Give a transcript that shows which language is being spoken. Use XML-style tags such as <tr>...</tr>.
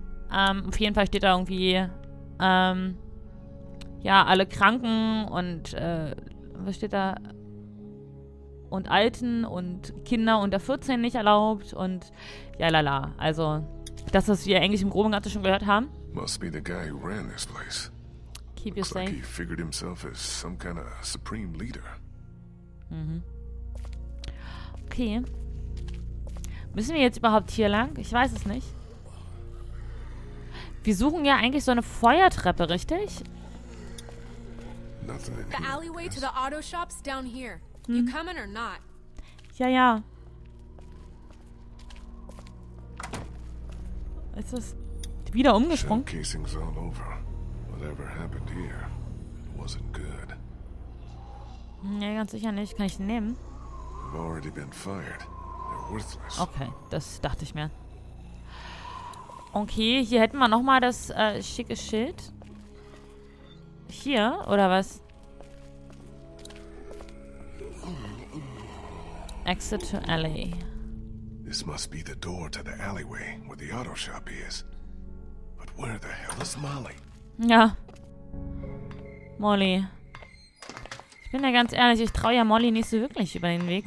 <de>Auf jeden Fall steht da irgendwie... ja, alle Kranken und... was steht da? Und Alten und Kinder unter 14 nicht erlaubt und ja, lala. Also, das, was wir eigentlich im Groben und Ganzen schon gehört haben.</de> <en>Must be the guy who ran this place. Keep you safe. Like he figured himself as some kind of supreme leader. Mhm. Okay.</en> <de>Müssen wir jetzt überhaupt hier lang? Ich weiß es nicht. Wir suchen ja eigentlich so eine Feuertreppe, richtig?</de> <en>The alleyway to the auto shops down here. You coming or not?</en> <de>Ja, ja. Es ist wieder umgesprungen.</de> <en>Showcasing's all over. Whatever happened here wasn't good.</en> <de>Ja, ganz sicher nicht. Kann ich den nehmen?</de> <en>They've already been fired. They're worthless.</en> <de>Okay, das dachte ich mir. Okay, hier hätten wir nochmal das schicke Schild. Hier, oder was?</de> <en>Exit to alley. This must be the door to the alleyway where the auto shop is. But where the hell is Molly?</en> <de>Ja. Molly. Ich bin ja ganz ehrlich, ich traue ja Molly nicht so wirklich über den Weg.</de>